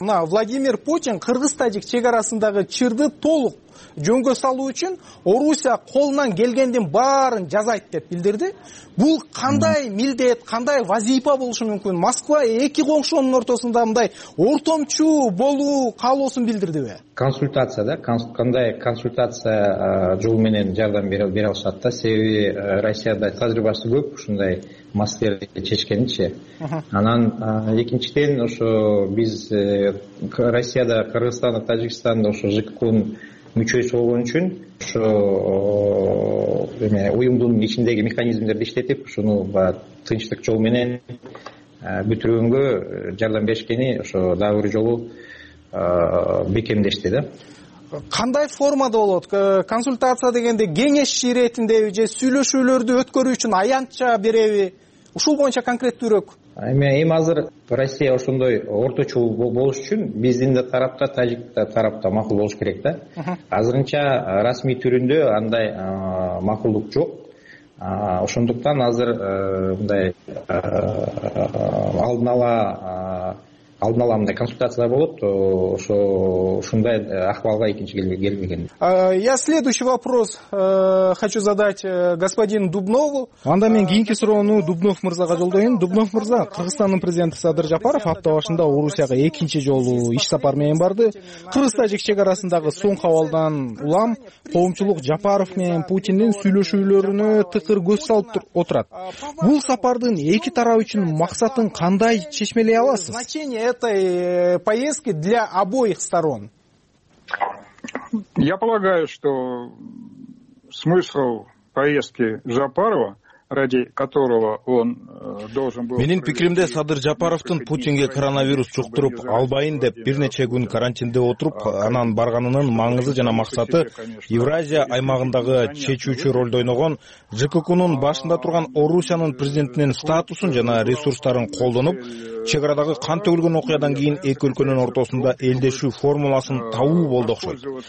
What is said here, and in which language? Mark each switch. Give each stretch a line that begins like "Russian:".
Kyrgyz: Мына Владимир Путин кыргыз-тажик чек арасындагы чырды толук жөнгө салуу үчүн Орусия колунан келгендин баарын жасайт деп билдирди. Бул кандай милдет, кандай вазифа болушу мүмкүн? Москва эки коңшунун ортосунда мындай ортомчу болуу каалоосун билдирдиби? Консультация да, кандай консультация жол менен жардам бере алышат да. Себеби Россияда тажрыйбасы көп ушундай маселелерди чечкенинчи. Анан экинчиден ошо биз Россияда Кыргызстанда, Тажикстанда ошо ЖККнын мүчөсү болгон үчүн ошо эме уюмдун ичиндеги механизмдерди иштетип ушуну баягы тынчтык жолу менен бүтүрүүгө жардам беришкени ошо дагы жолу бекемдешти да. Кандай формада болот? Консультация дегенде кеңеш иретиндеби же сүйлөшүүлөрдү өткөрүү үчүн аянтча береби? Ушул боюнча конкреттүүрөөк. Эми азыр Россия ошондой орточу болуш үчүн биздин да тарапта, тажик да тарапта макул болуш керек да. Азырынча расмий түрүндө андай макулдук жок. Ошондуктан азыр мындай алдын ала мындай консультациялар болот, ошо ушундай акыбалга экинчи келбеген.
Russian: Я следующий вопрос хочу задать господину Дубнову.
Kyrgyz: Анда мен кийинки суроону Дубнов мырзага жолдойм. Дубнов мырза, Кыргызстандын президенти Садыр Жапаров апта башында Орусияга экинчи жолу иш сапар менен барды. Кыргыз-тажик чек арасындагы соң абалдан улам коомчулук Жапаров менен Путиндин сүйлөшүүлөрүнө тыкыр көз салып отурат. Бул сапардын эки тарап үчүн максатын кандай чечмелей аласыз?
Russian: Этой поездки для обоих сторон? Я полагаю, что смысл поездки Жапарова, ради которого он должен был...
Kyrgyz: Менин пикиримде Садыр Жапаровдун Путинге коронавирус жуктуруп албайын деп бир нече күн карантинде отуруп анан барганынын маңызы жана максаты Евразия аймагындагы чечүүчү ролду ойногон ЖККнын башында турган Орусиянын президентинин статусун жана ресурстарын колдонуп чек арадагы кан төгүлгөн окуядан кийин эки өлкөнүн ортосунда элдешүү формуласын табуу болду окшойт.